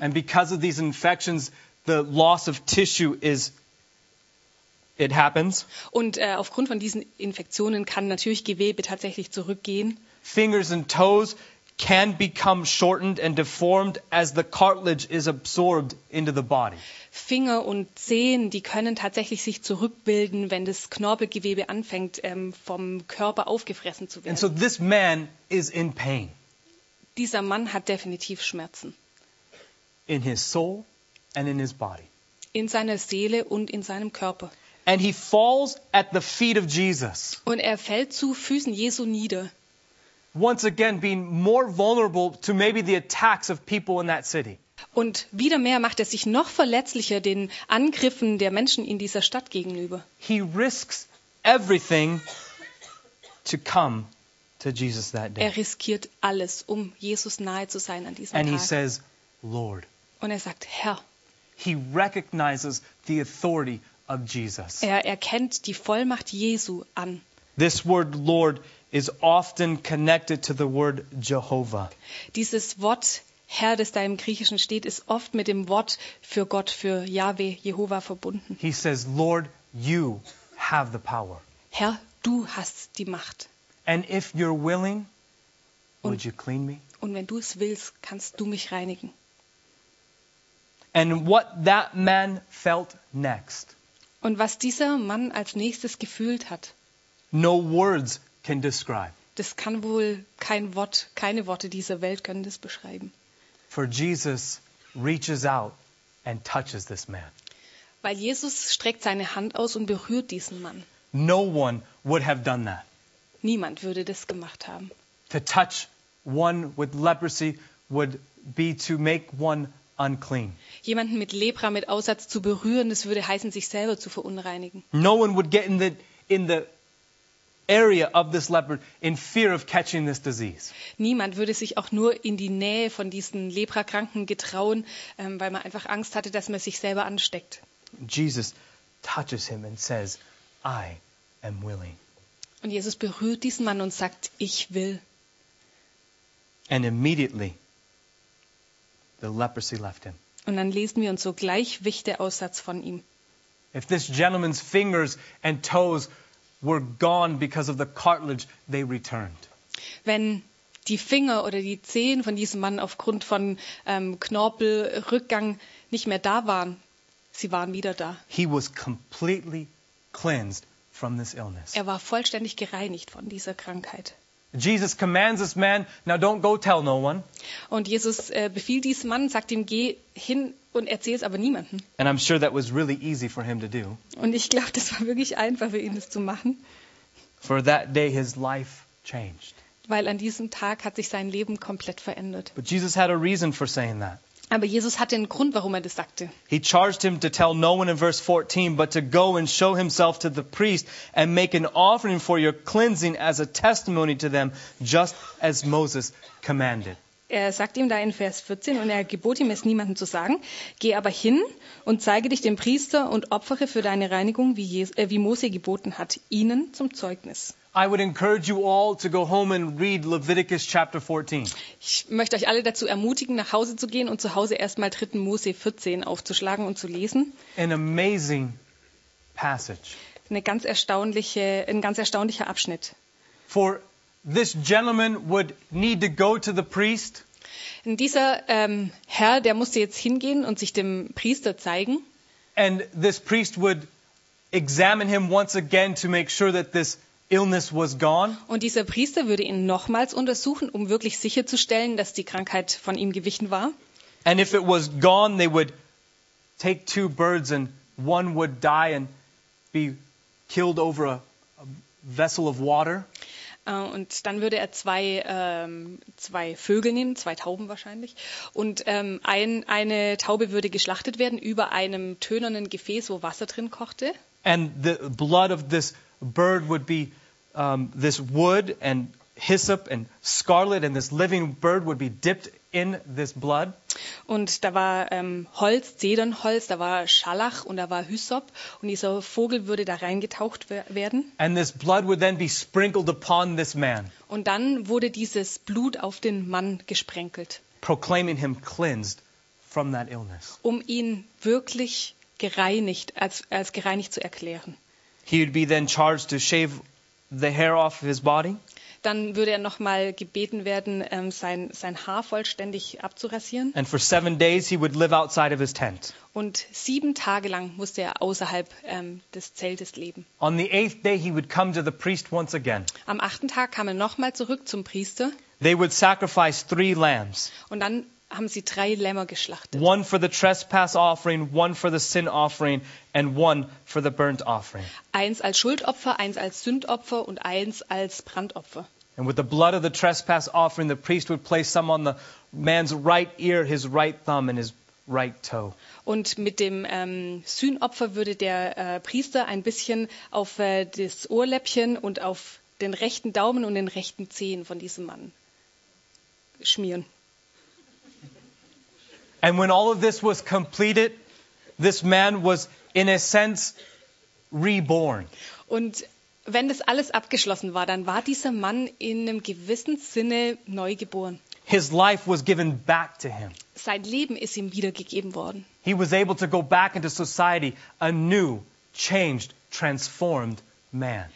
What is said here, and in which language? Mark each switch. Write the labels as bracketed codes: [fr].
[en] And because of these infections, the loss of tissue is, it happens. [de] Und aufgrund von diesen Infektionen kann natürlich Gewebe tatsächlich zurückgehen. [en] Fingers and toes can become shortened and deformed as the cartilage is absorbed into the body. [de] Finger und Zehen, die können tatsächlich sich zurückbilden, wenn das Knorpelgewebe anfängt, vom Körper aufgefressen zu werden. [en] And so this man is in pain. [de] Dieser Mann hat definitiv Schmerzen. [en] In his soul and in his body. [de] In seiner Seele und in seinem Körper. [en] And he falls at the feet of Jesus. [de] Und er fällt zu Füßen Jesu nieder. [en] Once again being more vulnerable to maybe the attacks of people in that city. [de] Und wieder mehr macht er sich noch verletzlicher den Angriffen der Menschen in dieser Stadt gegenüber. [en] He risks everything to come to Jesus that day. [de] Er riskiert alles, um Jesus nahe zu sein an diesem [en] And [de] Tag. [en] He says, Lord. [de] Und er sagt, Herr. [en] He recognizes the authority of Jesus. [de] Er erkennt die Vollmacht Jesu an. [en] This word Lord is often connected to the word Jehovah. [de] Dieses Wort Herr, das da im Griechischen steht, ist oft mit dem Wort für Gott, für Yahweh, Jehova verbunden. [en] He says, Lord, you have the power. [de] Herr, du hast die Macht. [en] And if you're willing, would you clean me? [de] Und wenn du es willst, kannst du mich reinigen. [en] And what that man felt next. [de] Und was dieser Mann als nächstes gefühlt hat. [en] No words can describe. [de] Das kann wohl kein Wort, keine Worte dieser Welt können das beschreiben. [en] For Jesus reaches out and touches this man. [de] Weil Jesus streckt seine Hand aus und berührt diesen Mann. [en] No one would have done that. [de] Niemand würde das gemacht haben. [en] To touch one with leprosy would be to make one unclean. [de] Jemanden mit Lepra, mit Aussatz zu berühren, das würde heißen, sich selber zu verunreinigen. [en] No one would get in the area of this leper in fear of catching this disease. [de] Niemand würde sich auch nur in die Nähe von diesen Leprakranken getrauen, weil man einfach Angst hatte, dass man sich selber ansteckt. [en] Jesus touches him and says, I am willing. [de] Und Jesus berührt diesen Mann und sagt, ich will. [en] And immediately the leprosy left him. [de] Und dann lesen wir uns sogleich wich der Aussatz von ihm. [en] If this gentleman's fingers and toes were gone because of the cartilage, they returned. [de] Wenn die Finger oder die Zehen von diesem Mann aufgrund von Knorpelrückgang nicht mehr da waren, sie waren wieder da. [en] He was completely cleansed from this illness. [de] Er war vollständig gereinigt von dieser Krankheit. [en] Jesus commands this man, now don't go tell no one. [de] Und Jesus befiehlt diesem Mann, sagt ihm, geh hin und erzähl es aber niemandem. [en] And I'm sure that was really easy for him to do. [de] Und ich glaube, das war wirklich einfach für ihn, das zu machen. [en] For that day his life changed. [de] Weil an diesem Tag hat sich sein Leben komplett verändert. [en] But Jesus had a reason for saying that. [de] Aber Jesus hatte einen Grund, warum er das sagte. [en] He charged him to tell no one in verse 14, but to go and show himself to the priest and make an offering for your cleansing as a testimony to them, just as Moses commanded. [de] Er sagt ihm da in Vers 14, und er gebot ihm es, niemandem zu sagen, geh aber hin und zeige dich dem Priester und opfere für deine Reinigung, wie Mose geboten hat, ihnen zum Zeugnis. [en] I would encourage you all to go home and read Leviticus chapter 14. [de] Ich möchte euch alle dazu ermutigen, nach Hause zu gehen und zu Hause erstmal 3. Mose 14 aufzuschlagen und zu lesen. [en] An amazing passage. [de] Ein ganz erstaunlicher Abschnitt. [en] For this gentleman would need to go to the priest. [de] Dieser Herr, der musste jetzt hingehen und sich dem Priester zeigen. [en] And this priest would examine him once again to make sure that this illness was gone. [de] Und dieser Priester würde ihn nochmals untersuchen, um wirklich sicherzustellen, dass die Krankheit von ihm gewichen war. [en] And if it was gone, they would take two birds and one would die and be killed over a vessel of water. [de] Und dann würde er zwei Vögel nehmen, zwei Tauben wahrscheinlich, und eine Taube würde geschlachtet werden über einem tönernen Gefäß, wo Wasser drin kochte. [en] And the blood of this bird would be this wood and hyssop and scarlet, and this living bird would be dipped in this blood. [de] Und da war Holz, Zedernholz, da war Schalach und da war Hyssop, und dieser Vogel würde da reingetaucht werden. [en] And this blood would then be sprinkled upon this man. [de] Und dann wurde dieses Blut auf den Mann gesprenkelt. [en] Proclaiming him cleansed from that illness. [de] Um ihn wirklich gereinigt, als gereinigt zu erklären. [en] He would be then charged to shave the hair off of his body. [de] dann würde er nochmal gebeten werden, sein Haar vollständig abzurasieren. [en] And for 7 days he would live outside of his tent. [de] Und 7 Tage lang musste er außerhalb des Zeltes leben. [en] On the 8th day he would come to the priest once again. [de] Am 8. Tag kam er nochmal zurück zum Priester. [en] They would sacrifice 3 lambs. [de] Und dann haben sie 3 Lämmer geschlachtet. [en] One for the trespass offering, one for the sin offering, and one for the burnt offering. [de] Eins als Schuldopfer, eins als Sündopfer und eins als Brandopfer. [en] And with the blood of the trespass offering, the priest would place some on the man's right ear, his right thumb, and his right toe. [de] Und mit dem Sündopfer würde der Priester ein bisschen auf das Ohrläppchen und auf den rechten Daumen und den rechten Zehen von diesem Mann schmieren. [en] And when all of this was completed, this man was in a sense reborn. [de] Und wenn das alles abgeschlossen war, dann war dieser Mann in einem gewissen Sinne neu geboren. [en] His life was given back to him. [de] Sein Leben ist ihm wiedergegeben worden. [en] He was able to go back into society, a new, changed, transformed man.